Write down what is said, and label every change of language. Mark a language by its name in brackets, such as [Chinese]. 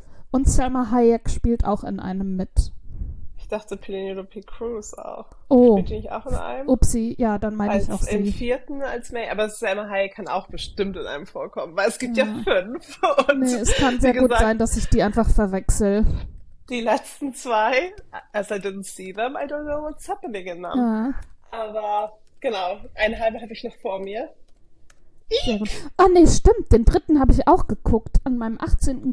[German] Und Selma Hayek spielt auch in einem mit. Ich dachte, Penelope Cruz auch. Oh. Spielt die nicht auch in einem? Upsi, ja, dann meine ich auch sie. Im vierten als May. Aber Selma Hayek kann auch bestimmt in einem vorkommen, weil es gibt ja 5. Und nee, es kann sehr gut sein, dass ich die einfach verwechsel. Die letzten 2, [English] as I didn't see them, I don't know what's happening in them. [German] Ja. Aber genau, eine halbe habe ich noch vor mir. Oh nee, stimmt, den dritten habe ich auch geguckt. An meinem 18.